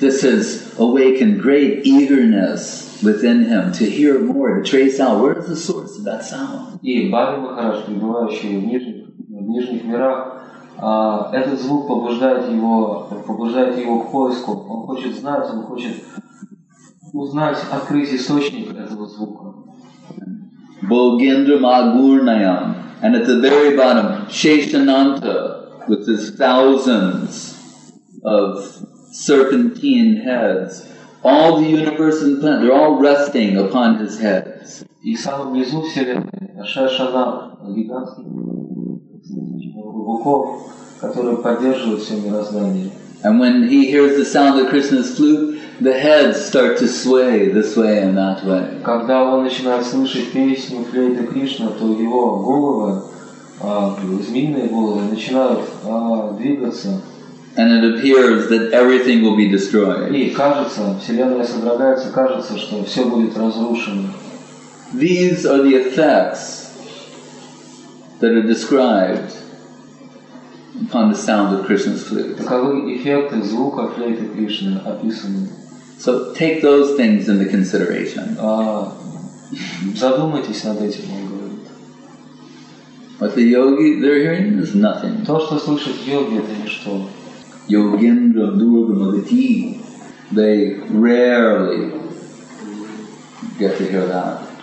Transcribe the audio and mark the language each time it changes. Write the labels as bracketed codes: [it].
[en] This has awakened great eagerness within him to hear more, to trace out where is the source of that sound. [ru] И Бали Махарадж, пребывающий в нижних мирах, этот звук побуждает его к поиску. Он хочет знать, он хочет узнать, открыть источник этого звука. [sa] Богендра Магурнаям, [en] and at the very bottom, Шешананта with his thousands of serpentine heads. All the universe and planet, they're all resting upon his head. [ru] И сам внизу вселенной Шешананта, гигантский клубок, который поддерживает все мироздание. [en] And when he hears the sound of Krishna's flute, the heads start to sway this way and that way. [ru] Когда он начинает слышать песню флейты Кришны, то его головы, змеиные головы, начинают двигаться. [en] And it appears that everything will be destroyed. [ru] И кажется, вселенная содрогается, кажется, что все будет разрушено. [en] These are the effects that are described upon the sound of Krishna's flute. [ru] Таковы эффекты звука флейты Кришны описаны. [en] So take those things into consideration. [ru] Задумайтесь над этим, он говорит. [en] What the yogi they're hearing is nothing. [ru] То, что слышит йоги, это ничто. [sa] Yogendra Durgamaditi, [en] they rarely get to hear that.